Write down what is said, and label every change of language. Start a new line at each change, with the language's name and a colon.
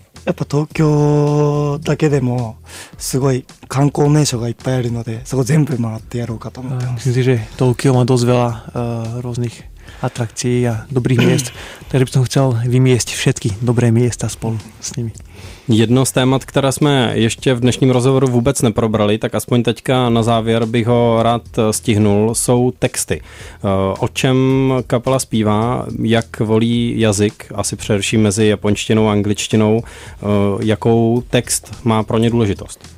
Japanese: やっぱ東京だけでもすごい観光名所がいっぱいあるのでそこ全部回ってやろうかと思ってます。
Slovak: Takže Tokio má dost veľa rôznych atrakcií a dobrých miest, takže by som chcel vymiesť všetky dobré miesta spolu s nimi.
Czech: Jedno z témat, které jsme ještě v dnešním rozhovoru vůbec neprobrali, tak aspoň teďka na závěr bych ho rád stihnul, jsou texty. O čem kapela zpívá, jak volí jazyk, asi především mezi japonštinou a angličtinou, jakou text má pro ně důležitost?